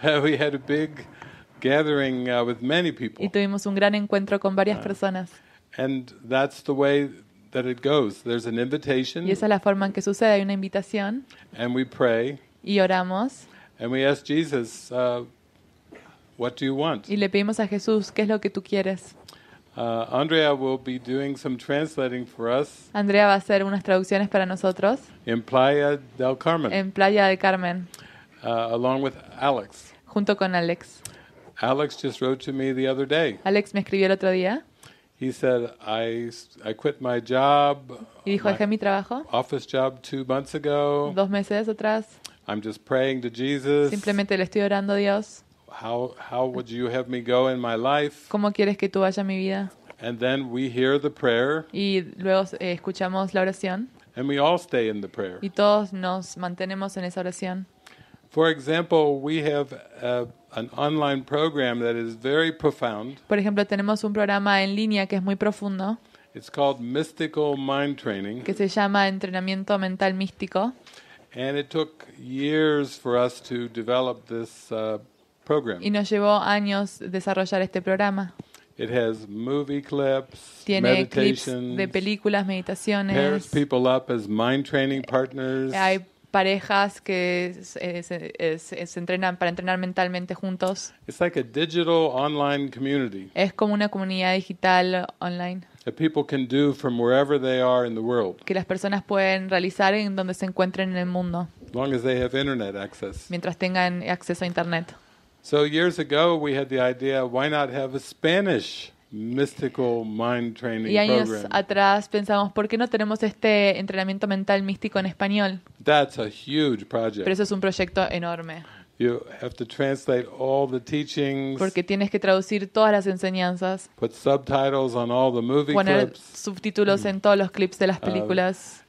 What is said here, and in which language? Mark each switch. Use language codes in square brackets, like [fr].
[en] We had a big gathering with many people. [es] Y tuvimos un gran encuentro con varias personas. [en] And that's the way that it goes. There's an invitation. [es] Y esa es la forma en que sucede, hay una invitación. [en] And we pray. [es] Y oramos. [en] And we ask Jesus, "What do you want?" [es] Y le pedimos a Jesús, "¿Qué es lo que tú quieres?" [en] Andrea will be doing some translating for us. [es] Andrea va a hacer unas traducciones para nosotros. [en] In Playa del Carmen. [es] En Playa del Carmen. [en] Along with Alex. [es] Junto con Alex. [en] Alex just wrote to me the other day. [es] Alex me escribió el otro día. [en] He said I quit my job. [es] Y dijo, dejé mi trabajo. [en] Office job 2 months ago. [es] 2 meses atrás. [en] I'm just praying to Jesus. [es] Simplemente le estoy orando a Dios. [en] How would you have me go in my life? [es] ¿Cómo quieres que tú vaya mi vida? [en] And then we hear the prayer. [es] Y luego escuchamos la oración. [en] And we all stay in the prayer. [es] Y todos nos mantenemos en esa oración. [en] For example, we have an online program that is very profound. [es] Por ejemplo, tenemos un programa en línea que es muy profundo. [en] It's called Mystical Mind Training. [es] Que se llama entrenamiento mental místico. [en] And it took years for us to develop this program. [es] Y nos llevó años desarrollar este programa. [en] It has movie clips, [es] tiene [en] meditations, [es] clips de películas, meditaciones. [en] Pairs people up as mind training partners. [es] Hay parejas que se entrenan para entrenar mentalmente juntos. [en] It's like a digital online community. [es] Es como una comunidad digital online. [en] That people can do from wherever they are in the world. [es] Que las personas pueden realizar en donde se encuentren en el mundo. [en] As long as they have internet access. [es] Mientras tengan acceso a internet. [en] So years ago we had the idea, why not have a Spanish mystical mind training program? [es] Y años atrás pensamos, ¿por qué no tenemos este entrenamiento mental místico en español? [en] That's a huge project. [es] Pero eso es un proyecto enorme. [en] You have to translate all the teachings. [es] Porque tienes que traducir todas las enseñanzas. [en] Put subtitles on all the movie clips. [es] Poner subtítulos en todos los clips de las películas.